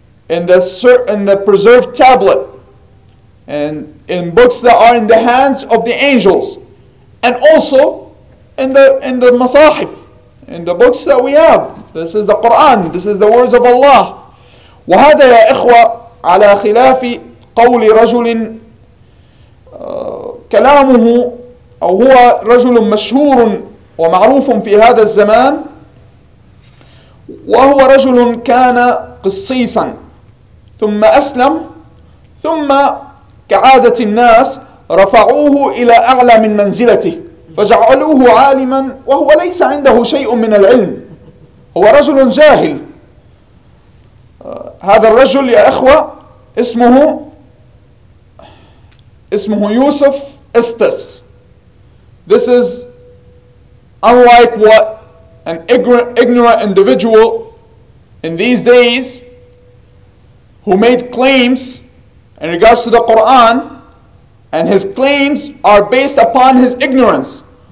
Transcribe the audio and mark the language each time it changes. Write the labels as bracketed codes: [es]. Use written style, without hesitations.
[en] in the preserved tablet, and in books that are in the hands of the angels, and also in the masahif, in the books that we have. This is the Quran. This is the words of Allah. [ar] وهذا يا إخوة على خلاف قول رجل كلامه أو هو رجل مشهور ومعروف في هذا الزمان وهو رجل كان قصيصا ثم أسلم ثم كعادة الناس رفعوه إلى أعلى من منزلته فجعلوه عالما وهو ليس عنده شيء من العلم هو رجل جاهل هذا الرجل يا إخوة اسمه يوسف استس. [en] This is unlike what an ignorant individual in these days who made claims in regards to the Quran, and his claims are based upon his ignorance.